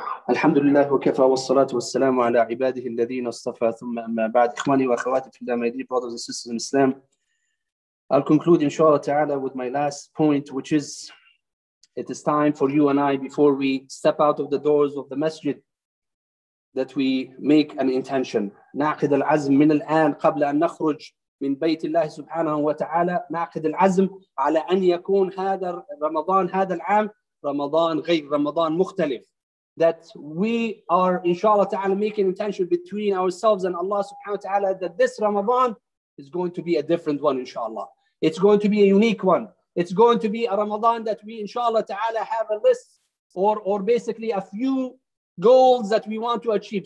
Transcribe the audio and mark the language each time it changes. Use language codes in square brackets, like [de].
[ar] الحمد لله وكفى والصلاة والسلام على عباده الذين اصطفى ثم أما بعد إخواني وأخواتي في الله [en] my dear brothers and sisters in Islam. I'll conclude inshallah ta'ala with my last point, which is it is time for you and I, before we step out of the doors of the masjid, that we make an intention. [ar] ناقد العزم من الآن قبل أن نخرج من بيت الله سبحانه وتعالى ناقد العزم على أن يكون هذا رمضان هذا العام رمضان غير رمضان مختلف. [en] That we are, inshallah ta'ala, making intention between ourselves and Allah subhanahu wa ta'ala that this Ramadan is going to be a different one, inshallah. It's going to be a unique one. It's going to be a Ramadan that we, inshallah ta'ala, have a list or basically a few goals that we want to achieve.